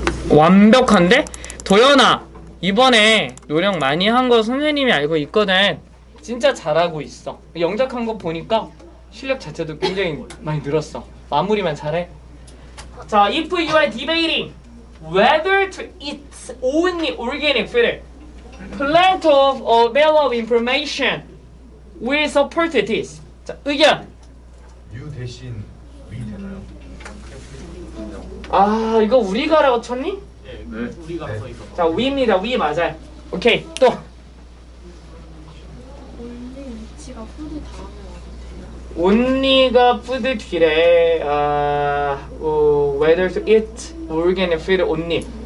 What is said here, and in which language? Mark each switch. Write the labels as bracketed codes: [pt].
[ko] 완벽한데? 도현아 이번에 노력 많이 한 거 선생님이 알고 있거든. 진짜 잘하고 있어. 영작한 거 보니까 실력 자체도 굉장히 많이 늘었어. 마무리만 잘해. [en] 자, if you are debating whether to eat only organic food, plenty of available information will support this. [ko] 자, 의견. you 대신 we 되나요? 아, 이거 우리가라고 쳤니? 네. 자, 위입니다. 위 맞아요. 오케이. 또. 온니가 푸드 다음에 온니가 푸드 뒤래. [en] 아, whether to eat organic food only.